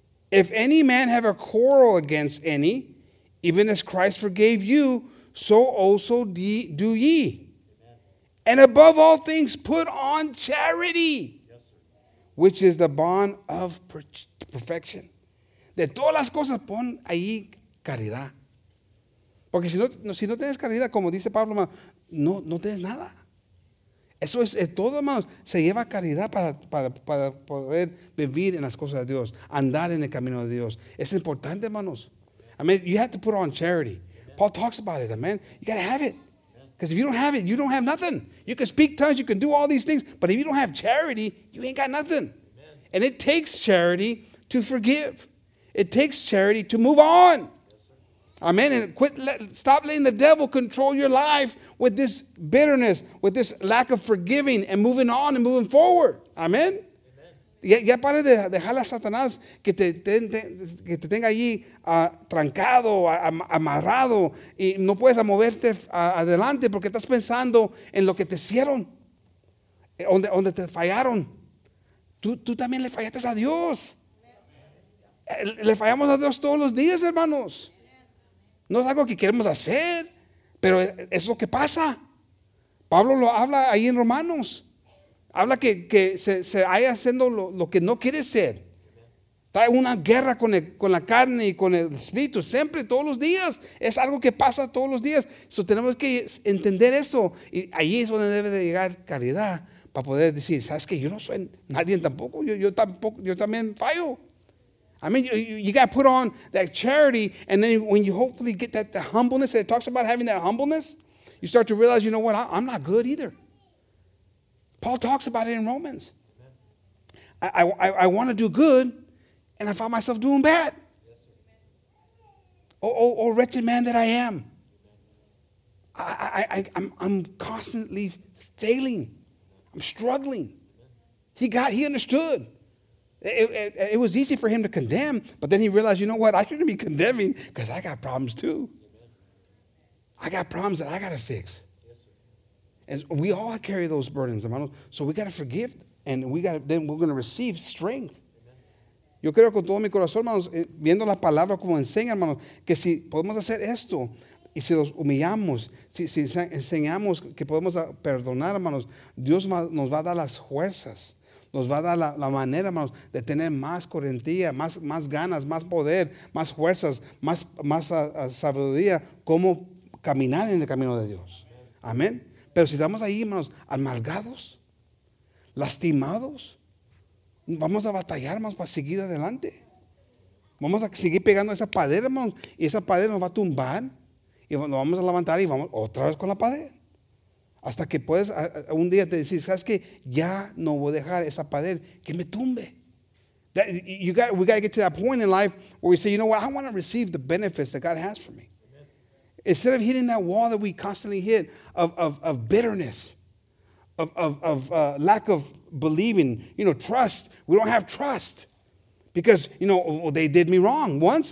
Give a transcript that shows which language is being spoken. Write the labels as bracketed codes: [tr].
[en] If any man have a quarrel against any, even as Christ forgave you, so also do ye. And above all things, put on charity, which is the bond of perfection. [es] De todas las cosas, pon ahí caridad. Porque si no tienes caridad, como dice Pablo, no tienes nada. Eso es todo, hermanos. Se lleva caridad para poder vivir en las cosas de Dios, andar en el camino de Dios. Es importante, hermanos. [en] I mean, you have to put on charity. Amen. Paul talks about it, amen. You got to have it. Because if you don't have it, you don't have nothing. You can speak tongues, you can do all these things, but if you don't have charity, you ain't got nothing. Amen. And it takes charity to forgive. It takes charity to move on. Amen. And stop letting the devil control your life with this bitterness, with this lack of forgiving and moving on and moving forward. Amen. [es] Ya pare de dejar a Satanás que te tenga allí trancado, amarrado y no puedes moverte adelante porque estás pensando en lo que te hicieron, donde te fallaron. Tú también le fallaste a Dios. Le fallamos a Dios todos los días, hermanos. No es algo que queremos hacer, pero es lo que pasa. Pablo lo habla ahí en Romanos. Habla que se haya haciendo lo que no quiere ser. Trae una guerra con la carne y con el espíritu. Siempre, todos los días. Es algo que pasa todos los días. So, tenemos que entender eso. Y ahí es donde debe de llegar caridad para poder decir, ¿sabes qué? Yo no soy nadie tampoco. Yo también fallo. [en] I mean, you got to put on that charity, and then when you hopefully get that the humbleness that it talks about, having that humbleness, you start to realize, you know what, I'm not good either. Paul talks about it in Romans. I want to do good, and I find myself doing bad. Oh, wretched man that I am. I, I'm constantly failing. I'm struggling. He understood. It was easy for him to condemn, but then he realized, you know what? I shouldn't be condemning because I got problems too. I got problems that I got to fix. And we all carry those burdens, hermanos. So we got to forgive, and then we're going to receive strength. [es] Yo creo con todo mi corazón, hermanos, viendo la palabra como enseña, hermanos, que si podemos hacer esto, y si los humillamos, si enseñamos que podemos perdonar, hermanos, Dios nos va a dar las fuerzas, nos va a dar la manera, hermanos, de tener más corrientía, más ganas, más poder, más fuerzas, más sabiduría, cómo caminar en el camino de Dios. Amén. Pero si estamos ahí, hermanos, amargados, lastimados, vamos a batallar, hermanos, para seguir adelante. Vamos a seguir pegando esa pared, hermanos, y esa pared nos va a tumbar. Y nos vamos a levantar y vamos otra vez con la pared. Hasta que puedes un día te decir, ¿sabes qué? Ya no voy a dejar esa pared que me tumbe. [en] We got to get to that point in life where we say, you know what? I want to receive the benefits that God has for me. Instead of hitting that wall that we constantly hit of bitterness, of lack of believing, you know, trust. We don't have trust because, you know, they did me wrong once.